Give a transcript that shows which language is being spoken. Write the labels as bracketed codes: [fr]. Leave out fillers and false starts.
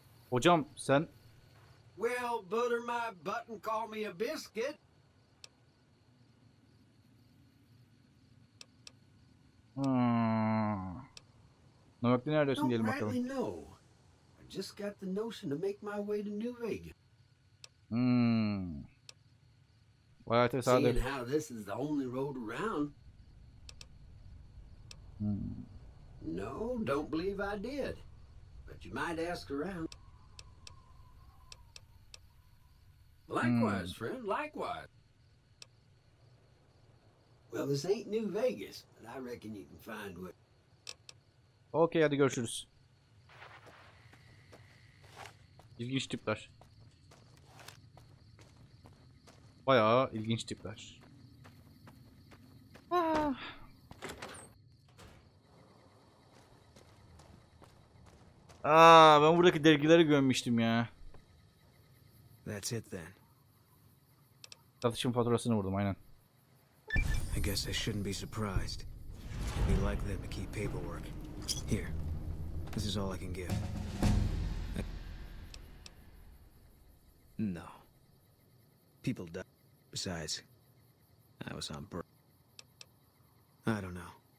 [tr] Hocam sen... [en] Well, butter my button, call me a biscuit. Hmm. [tr] Novak'ta neredesin diyelim bakalım. [en] No, I just got the notion to make my way to New Vegas. Hmm. Vay ate sade. Seeing how this is the only road around. Hmm. No, don't believe I did. But you might ask around. Likewise, friend, likewise. Well, this ain't New Vegas, but I reckon you can find what. [tr] Okay, hadi görüşürüz. İlginç tipler. Bayağı ilginç tipler. Aa, ben buradaki dergileri gömmüştüm ya. [en] That's it then. [tr] Satışın faturasını vurdum aynen. [en] I guess I shouldn't be surprised. It'd be like them to keep paperwork. Here. This is all I can give. No. People die. Besides, I was on break. I don't know.